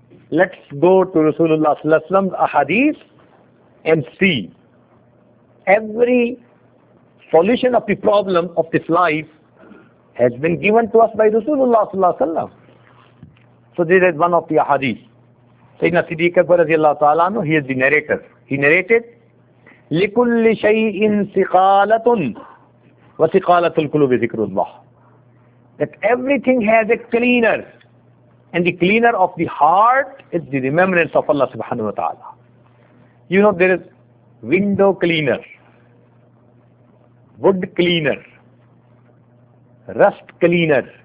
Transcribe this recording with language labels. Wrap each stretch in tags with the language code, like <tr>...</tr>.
<en>Let's go to Rasulullah sallallahu alaihi wasallam ahadith and see every solution of the problem of this life has been given to us by Rasulullah sallallahu alaihi wasallam. So this is one of the ahadith. Sayyidina Siddiq Akbar radiallahu ta'ala anhu, he is the narrator. He narrated,</en> <ar>لِكُلِّ شَيْءٍ سِقَالَةٌ وَسِقَالَةُ الْقُلُوبِ ذِكْرُ اللَّهِ.</ar> <en>That everything has a cleaner. And the cleaner of the heart is the remembrance of Allah subhanahu wa ta'ala. You know, there is window cleaner, wood cleaner, rust cleaner.</en>